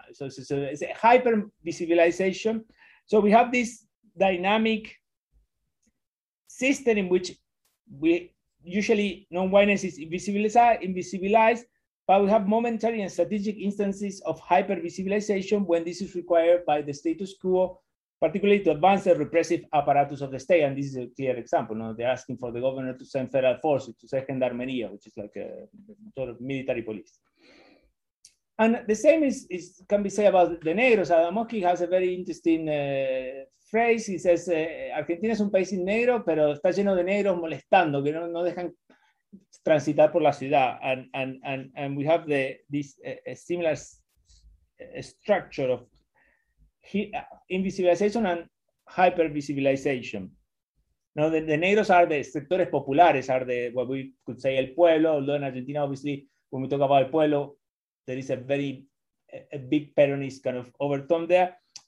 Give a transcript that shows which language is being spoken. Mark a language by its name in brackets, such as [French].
[English] So it's a hyper-visibilization. So we have this dynamic system in which we usually non-whiteness is invisibilized, but we have momentary and strategic instances of hyper-visibilization when this is required by the status quo, particularly to advance the repressive apparatus of the state. And this is a clear example. You know, they're asking for the governor to send federal forces to Gendarmería, which is like a sort of military police. And the same is can be said about the negros. Adamowski has a very interesting phrase. He says, [Spanish] Argentina es un país sin negro, pero está lleno de negros molestando, que no dejan transitar por la ciudad. [English] And we have a similar structure of invisibilization and hypervisibilization. Now, the negros are the [Spanish] sectores populares, [English] are the what we could say el pueblo, although in Argentina, obviously, when we talk about el pueblo, there is a big Peronist kind of overtone there.